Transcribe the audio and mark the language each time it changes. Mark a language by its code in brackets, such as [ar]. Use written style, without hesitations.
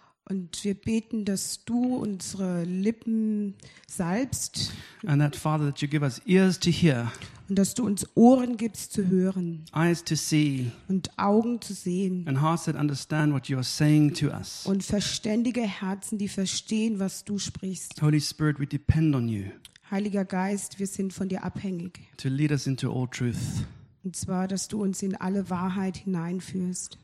[de] Und wir beten, dass du unsere Lippen salbst. [en] And that, Father, that you give us ears to hear. [de] Und dass du uns Ohren gibst zu hören. [en] Eyes to see. [de] Und Augen zu sehen. [en] And hearts that understand what you are saying to us. [de] Und verständige Herzen, die verstehen, was du sprichst. [en] Holy Spirit, we depend on you. [de] Heiliger Geist, wir sind von dir abhängig. [en] To lead us into all truth. [de] Und zwar, dass du uns in alle Wahrheit hineinführst.